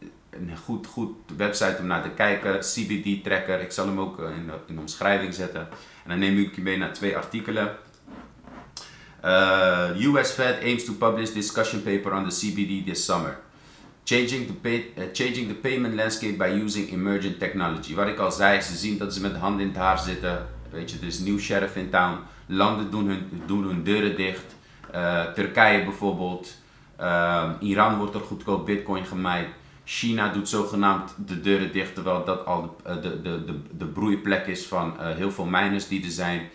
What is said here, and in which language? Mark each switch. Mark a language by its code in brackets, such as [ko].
[nl] Een goed website om naar te kijken. CBD tracker, ik zal hem ook in de omschrijving zetten. En dan neem ik je mee naar twee artikelen. [en] US Fed aims to publish discussion paper on the CBD this summer. Changing the payment landscape by using emerging technology. [nl] Wat ik al zei, ze zien dat ze met de hand in het haar zitten. Weet je, er is een nieuw [en] sheriff in town. [nl] Landen doen hun deuren dicht. Turkije bijvoorbeeld. Iran wordt er goedkoop bitcoin gemijnd. China doet zogenaamd de deuren dicht, terwijl dat al de broeiplek is van heel veel miners die er zijn.